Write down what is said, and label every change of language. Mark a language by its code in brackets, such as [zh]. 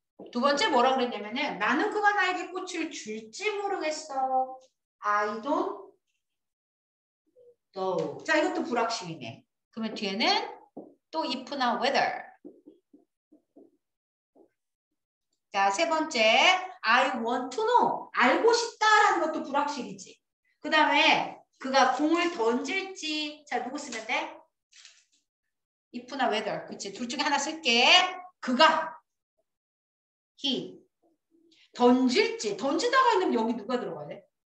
[ko] 두 번째 뭐라 그랬냐면은 나는 그가 나에게 꽃을 줄지 모르겠어. [en] I don't know. [ko] 자, 이것도 불확실이네. 그러면 뒤에는 또 if나 whether. 자, 세 번째, [en] I want to know. [ko] 알고 싶다라는 것도 불확실이지. 그 다음에 그가 공을 던질지. 자, 누구 쓰면 돼? if나 whether. 그치. 둘 중에 하나 쓸게. 그가. he. 던질지. 던진다고 했는데 여기 누가 들어가야 돼?